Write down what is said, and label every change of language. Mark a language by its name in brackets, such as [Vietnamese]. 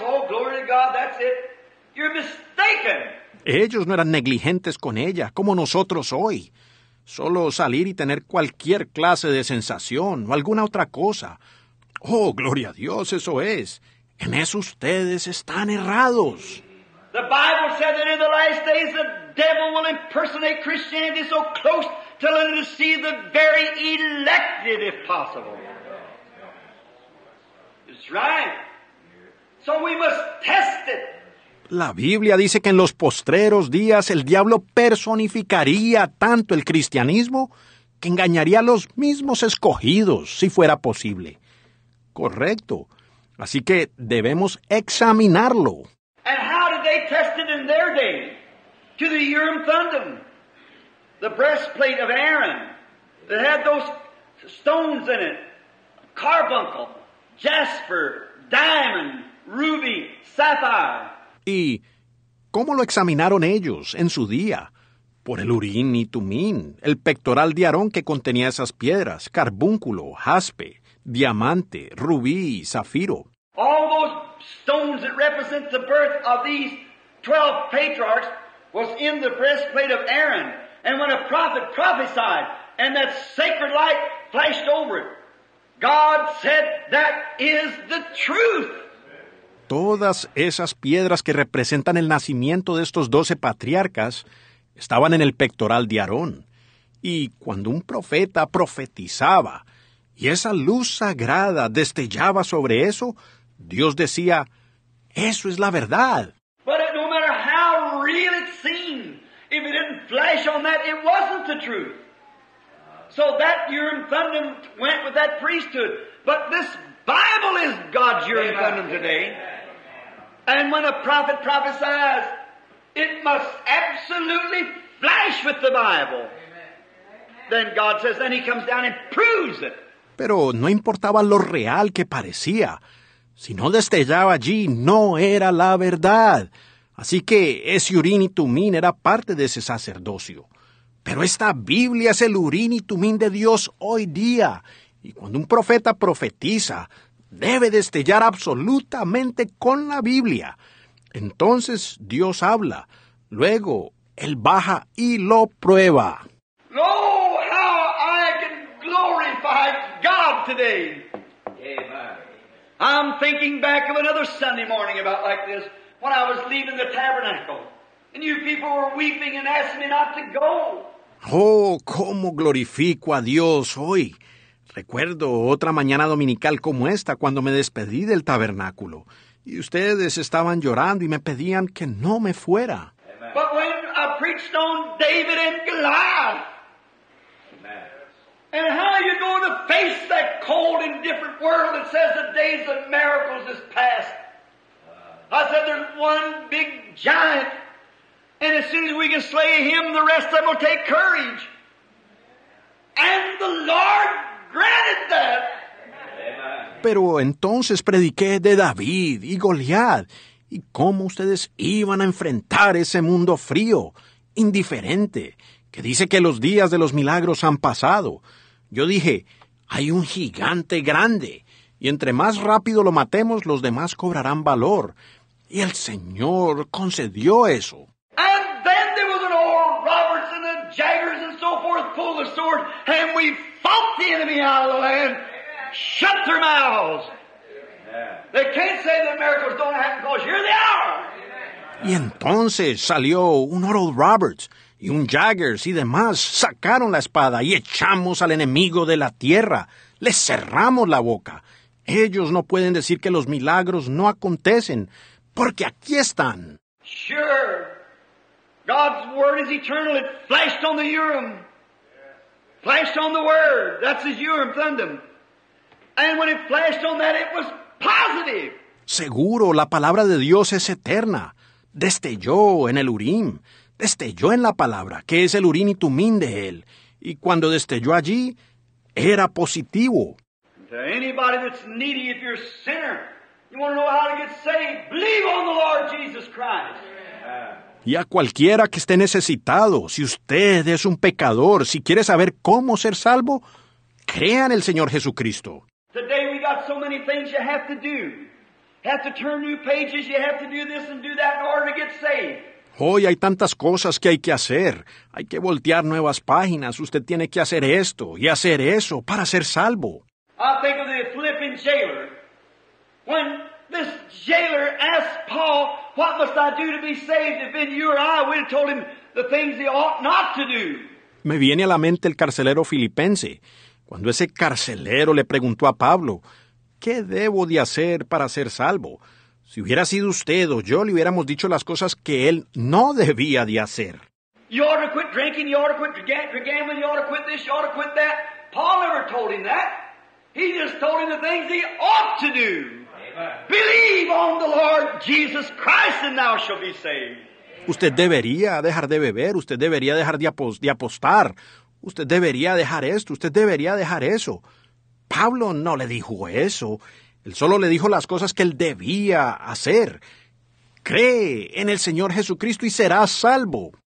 [English] Oh, glory to God, that's it. You're mistaken. [Spanish] Ellos no eran negligentes con ella, como nosotros hoy. Solo salir y tener cualquier clase de sensación o alguna otra cosa. Oh, gloria a Dios, eso es. En eso ustedes están errados. [English] The Bible said that in the last days the devil will impersonate Christianity so close to let it deceive the very elected, if possible. It's right. So we must test it. [Spanish] La Biblia dice que en los postreros días el diablo personificaría tanto el cristianismo que engañaría a los mismos escogidos, si fuera posible. Correcto. Así que debemos examinarlo. [English] And how did they test it in their day? To the Urim Thummim, the breastplate of Aaron, that had those stones in it, carbuncle, jasper, diamond, ruby, sapphire. [Spanish] ¿Y cómo lo examinaron ellos en su día? Por el Urim y Tumim, el pectoral de Aarón que contenía esas piedras, carbúnculo, jaspe, diamante, rubí y zafiro. [English] All those stones that represent the birth of these 12 patriarchs was in the breastplate of Aaron. And when a prophet prophesied and that sacred light flashed over it, God said, that is the truth. [Spanish] Todas esas piedras que representan el nacimiento de estos 12 patriarcas estaban en el pectoral de Aarón. Y cuando un profeta profetizaba y esa luz sagrada destellaba sobre eso, Dios decía, eso es la verdad. [English] But no matter how real it seemed, if it didn't flash on that, it wasn't the truth. So that Urim Thummim went with that priesthood. But this Bible is God's Urim Thummim today. And when a prophet prophesies, it must absolutely flash with the Bible. Then God says, then he comes down and proves it. [Spanish] Pero no importaba lo real que parecía. Si no destellaba allí, no era la verdad. Así que ese Urim y Tumim era parte de ese sacerdocio. Pero esta Biblia es el Urim y Tumim de Dios hoy día. Y cuando un profeta profetiza, debe destellar absolutamente con la Biblia. Entonces Dios habla. Luego, Él baja y lo prueba. [English] Oh, how I can glorify God today. I'm thinking back of another Sunday morning about like this, when I was leaving the tabernacle, and you people were weeping and asking me not to go. [Spanish] Oh, cómo glorifico a Dios hoy. Recuerdo otra mañana dominical como esta, cuando me despedí del tabernáculo, y ustedes estaban llorando y me pedían que no me fuera. [English] Amen. But when I preached on David and Goliath, and how are you going to face that cold and different world that says the days of miracles is past? I said, there's one big giant. And as soon as we can slay him, the rest of them will take courage. And the Lord granted that. [Spanish] Pero entonces prediqué de David y Goliat. ¿Y cómo ustedes iban a enfrentar ese mundo frío, indiferente, que dice que los días de los milagros han pasado? Yo dije, hay un gigante grande, y entre más rápido lo matemos, los demás cobrarán valor. Y el Señor concedió eso. [English] And then there was an Oral Roberts and the Jaggers and so forth pulled the sword, and we fought the enemy out of the land. Shut their mouths. They can't say that miracles don't happen because here they are. [Spanish] Y entonces salió un Oral Roberts. Y un Jaggers y demás sacaron la espada y echamos al enemigo de la tierra. Le cerramos la boca. Ellos no pueden decir que los milagros no acontecen, porque aquí están. [English] Sure. God's word is eternal. It flashed on the Urim. Flashed on the word. That's his Urim Thummim. And when it flashed on that, it was positive. [Spanish] Seguro, la palabra de Dios es eterna. Destelló en el Urim. Destelló en la palabra, que es el Urim y Tumim de él. Y cuando destelló allí, era positivo. [English] To anybody that's needy, if you're a sinner, you want to know how to get saved, believe on the Lord Jesus Christ. [Spanish] Y a cualquiera que esté necesitado, si usted es un pecador, si quiere saber cómo ser salvo, crea en el Señor Jesucristo. [English] Today we got so many things you have to do. Have to turn new pages, you have to do this and do that in order to get saved. [Spanish] Hoy hay tantas cosas que hay que hacer. Hay que voltear nuevas páginas. Usted tiene que hacer esto y hacer eso para ser salvo. [English] I think of the Philippian jailer. When this jailer asked Paul, what must I do to be saved? If in you or I, we'd have told him the things he ought not to do. [Spanish] Me viene a la mente el carcelero filipense. Cuando ese carcelero le preguntó a Pablo, ¿qué debo de hacer para ser salvo? Si hubiera sido usted o yo, le hubiéramos dicho las cosas que él no debía de hacer. [English] You ought to quit drinking, you ought to quit gambling, you ought to quit this, you ought to quit that. Paul never told him that. He just told him the things he ought to do. Amen. believe on the Lord Jesus Christ and thou shalt be saved. [Spanish] Usted debería dejar de beber, usted debería dejar de apostar. Usted debería dejar esto, usted debería dejar eso. Pablo no le dijo eso. Él solo le dijo las cosas que él debía hacer. Cree en el Señor Jesucristo y serás salvo.